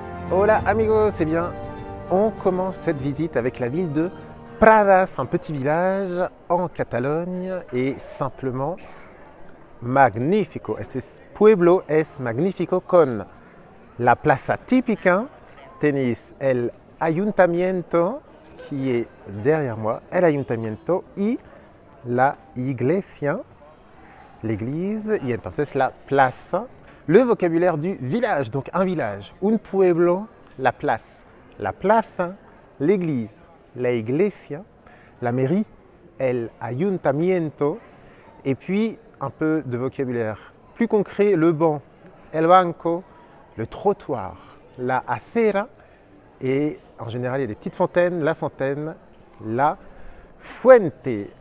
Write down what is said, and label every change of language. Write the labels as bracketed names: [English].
[Spanish] Hola amigos, [French] eh bien, on commence cette visite avec la ville de Pradas, un petit village en Catalogne et simplement magnifico. [Spanish] Este pueblo es magnifico con la plaza típica, tenis el ayuntamiento [French] qui est derrière moi, [Spanish] el ayuntamiento y la iglesia, l'église, y entonces la plaza. [French] Le vocabulaire du village, donc un village, un pueblo, la place, la plaza, l'église, la iglesia, la mairie, el ayuntamiento, et puis un peu de vocabulaire plus concret, le banc, el banco, le trottoir, la acera, et en général il y a des petites fontaines, la fuente.